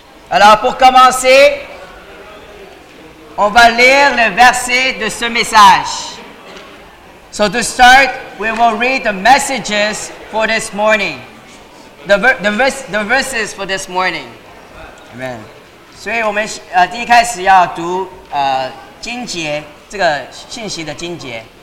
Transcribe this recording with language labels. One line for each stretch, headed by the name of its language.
French: Alors pour commencer, on va lire le verset de ce message.
English: So to start, we will read the messages for this morning. The verses for this morning. Amen.
Chinese: 所以我们第一开始要读经节，这个信息的经节。